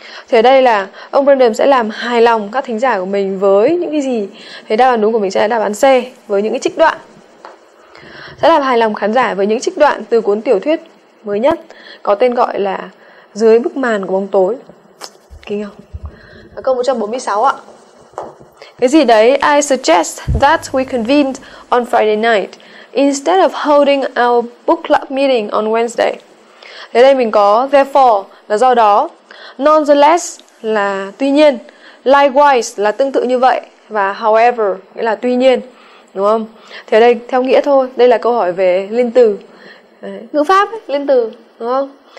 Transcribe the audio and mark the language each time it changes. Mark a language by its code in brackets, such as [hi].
[vi] Thì ở đây là ông Brandon sẽ làm hài lòng các thính giả của mình với những cái gì? Thế đáp án đúng của mình sẽ là đáp án C, với những cái trích đoạn. Sẽ làm hài lòng khán giả với những trích đoạn từ cuốn tiểu thuyết mới nhất có tên gọi là Dưới bức màn của bóng tối. Kinh không? Câu 146 ạ. Cái gì đấy? [en] I suggest that we convene on Friday night instead of holding our book club meeting on Wednesday. [vi] Thế đây mình có therefore là do đó, nonetheless là tuy nhiên, likewise là tương tự như vậy, và however nghĩa là tuy nhiên, đúng không? Thì ở đây theo nghĩa thôi, đây là câu hỏi về liên từ, ngữ pháp ấy, liên từ, đúng không?